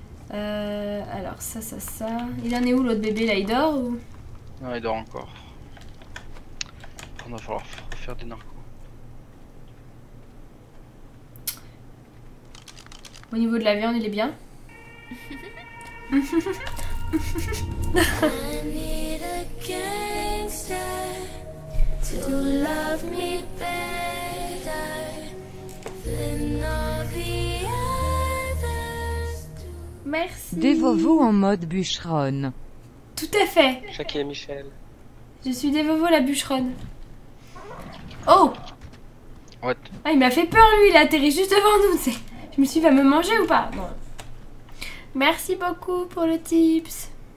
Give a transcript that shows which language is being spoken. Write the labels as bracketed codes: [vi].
[fr] Alors, ça. Il en est où l'autre bébé là? Il dort ou? Non, il dort encore. On va falloir faire des narcos. Au niveau de la viande, il est bien? [en] I need a gangster to love me better than all the others do. [fr] Merci. Dévovo en mode bûcheronne. Tout à fait. Chaque et Michel. Je suis Dévovo la bûcheronne. Oh. [en] What? [fr] Ah, il m'a fait peur lui, il a atterri juste devant nous. C'est... Je me suis dit, va me manger ou pas? Non. Merci beaucoup pour le tips.